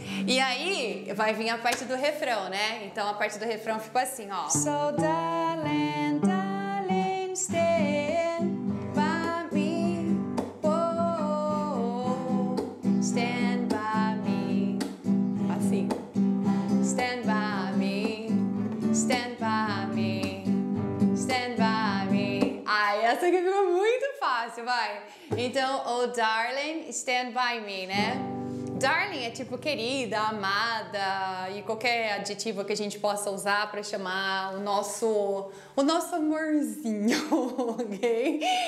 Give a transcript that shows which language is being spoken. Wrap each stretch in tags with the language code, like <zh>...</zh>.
<pt>E aí, vai vir a parte do refrão, né? Então a parte do refrão ficou assim, ó.</pt> <en>So darling, darling, stand by me. Oh, oh, oh. Stand by me.</en> <pt>Assim.</pt> <en>Stand by me. Stand by me. Stand by me.</en> <pt>Ai, essa aqui ficou muito fácil, vai. Então,</pt> <en>oh darling, stand by me,</en> <pt>né? Darling é tipo querida, amada e qualquer adjetivo que a gente possa usar para chamar o nosso amorzinho, ok?</pt>